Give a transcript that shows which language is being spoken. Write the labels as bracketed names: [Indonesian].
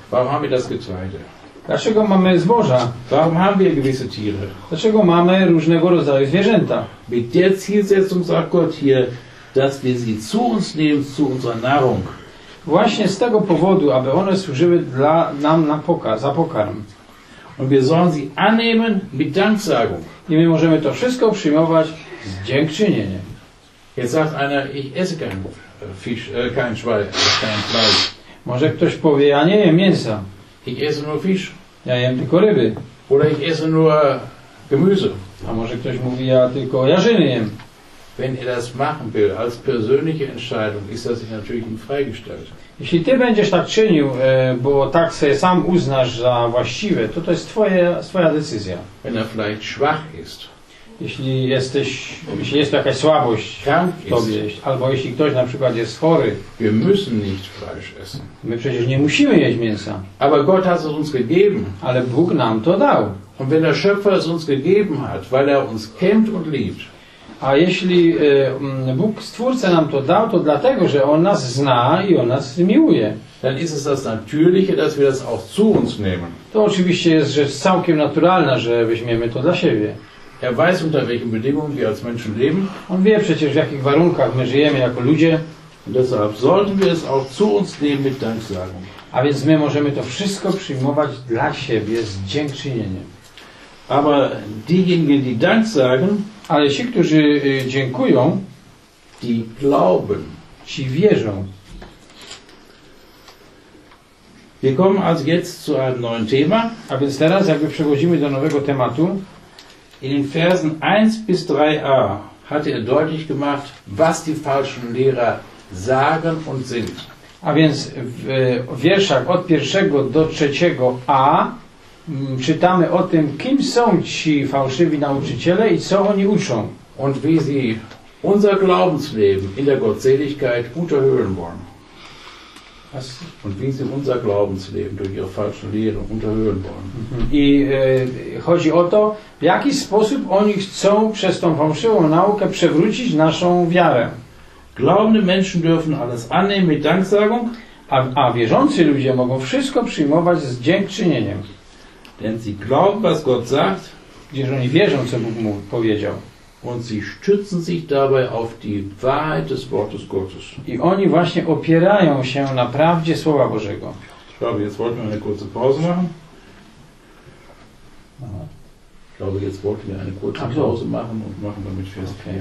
[German] Warum haben wir das Getreide? [Polish] Dlaczego mamy zboża? [German] Warum haben wir gewisse Tiere? [Polish] Dlaczego mamy różnego rodzaju zwierzęta? [German] Mit der Zielsetzung sagt Gott hier, dass wir sie zu uns nehmen, zu unserer Nahrung. [Polish] Właśnie z tego powodu, aby one służyły dla nam na pokarm, za pokarm. [German] Und wir sollen sie annehmen mit Danksagung. [Polish] I my możemy to wszystko przyjmować z dziękczynieniem. [German] Jetzt sagt einer, ich esse kein Fisch, kein Schwein, kein Fleisch. [Polish] Może ktoś powie, ja nie jem mięsa. [German] Ich esse nur Fisch. [Polish] Ja jem tylko ryby. [German] Oder ich esse nur Gemüse. [Polish] A może ktoś mówi, ja tylko jarzyny jem. [German] Wenn er das machen will, als persönliche Entscheidung, ist das sich natürlich ihm freigestellt. [Polish] Jeśli ty będziesz tak czynił, bo tak sobie sam uznasz za właściwe, to to jest twoja decyzja. [German] Wenn er vielleicht schwach ist. [Polish] Jeśli jest to jakaś słabość w tobie, albo jeśli ktoś na przykład jest chory, [German] wir müssen nicht Fleisch essen. [Polish] My przecież nie musimy jeść mięsa. [German] Aber Gott hat es uns gegeben. [Polish] Ale Bóg nam to dał. [German] Und wenn der Schöpfer es uns gegeben hat, weil er uns kennt und liebt. [Polish] A jeśli Bóg Stwórca nam to dał, to dlatego, że On nas zna i On nas miłuje. [German] Dann ist es das Natürliche, dass wir das auch zu uns nehmen. [Polish] To oczywiście jest rzecz całkiem naturalna, że weźmiemy to dla siebie. [German] Er weiß, unter welchen Bedingungen wir als Menschen leben. [Polish] On wie przecież, w jakich warunkach my żyjemy jako ludzie. [German] Und deshalb sollten wir es auch zu uns nehmen mit Danksagung. [Polish] A więc my możemy to wszystko przyjmować dla siebie z dziękczynieniem. [German] Aber diejenigen, die Dank sagen, [Polish] ale ci, którzy dziękują, [German] die glauben, [Polish] ci wierzą. [German] Wir kommen also jetzt zu einem neuen Thema. [Polish] A więc teraz jakby przechodzimy do nowego tematu. [German] In den Versen 1 bis 3a hat er deutlich gemacht, was die falschen Lehrer sagen und sind. [Polish] A więc w wierszach od 1 do 3a czytamy o tym, kim są ci fałszywi nauczyciele i co oni uczą. [German] Und wie sie unser Glaubensleben in der Gottseligkeit unterhöhlen wollen. Was? Und wie sie unser Glaubensleben durch ihre falsche Lehre unterhöhlen wollen. [Polish] I chodzi o to, w jaki sposób oni chcą przez tą fałszywą naukę przewrócić naszą wiarę. [German] Glaubende Menschen dürfen alles annehmen mit Danksagung, [Polish] a wierzący ludzie mogą wszystko przyjmować z dziękczynieniem. [German] Denn sie glauben, was Gott sagt, [Polish] gdyż oni wierzą, co Bóg mu powiedział. [German] Und sie stützen sich dabei auf die Wahrheit des Wortes Gottes. [Polish] I oni właśnie opierają się na prawdzie Słowa Bożego. [German] Jetzt wollten wir eine kurze Pause machen und machen damit fest.